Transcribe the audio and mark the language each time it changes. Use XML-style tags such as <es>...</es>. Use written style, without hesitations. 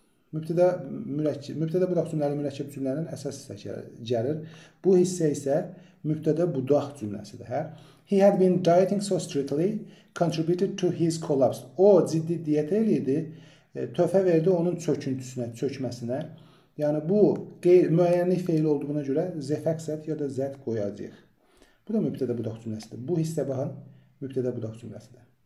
<az>Mübtədə budaq cümləli mürəkkəb cümlənin əsas hissəsi gəlir. Bu hissə isə mübtədə budaq cümləsidir. Hə?</az> <en>He had been dieting so strictly contributed to his collapse.</en> <az>O, ciddi diyet eləyirdi. Töhfə verdi onun çöküntüsünə, çökməsinə. Yəni, bu müəyyənlik feil olduğuna görə zəfəqsət ya da zəd qoyacaq. Bu da mübtədə budaq cümləsidir. Bu hissə baxın, mübtədə budaq cümləsidir.</az>